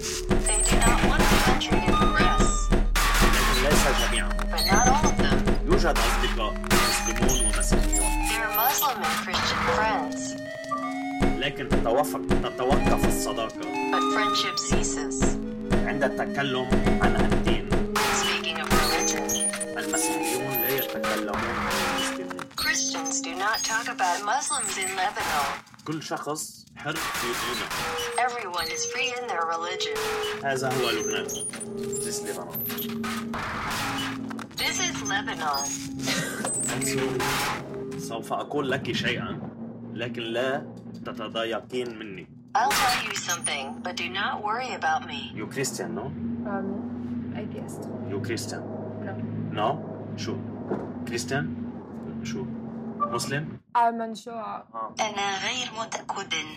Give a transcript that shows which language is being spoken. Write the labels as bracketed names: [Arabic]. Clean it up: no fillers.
[English] They do not want the country to progress. [Arabic] لكن ليس جميعهم. [English] But not all of them. [Arabic] يوجد أصدقاء مسلمون ومسيحيون. [English] Muslim and Christian friends. [Arabic] لكن تتوقف الصداقة. [English] But friendship ceases. [Arabic] عند التكلم عن الدين. [English] Speaking of religion. [Arabic] المسيحيون لا يتكلمون عن المسلمين. [English] Christians do not talk about Muslims in Lebanon. [Arabic] كل شخص حر في دينه. [English] Everyone is free in their religion. [Arabic] هذا هو لبنان. [English] This is Lebanon. This is Lebanon. [Arabic] سوف أقول لك شيئاً لكن لا تتضايقين مني. [English] I'll tell you something, but do not worry about me. You Christian, no? Atheist. You Christian? No. No? [Arabic] شو؟ [English] Christian? [Arabic] شو؟ [English] Muslim? I'm unsure. [Arabic] أنا غير متأكد.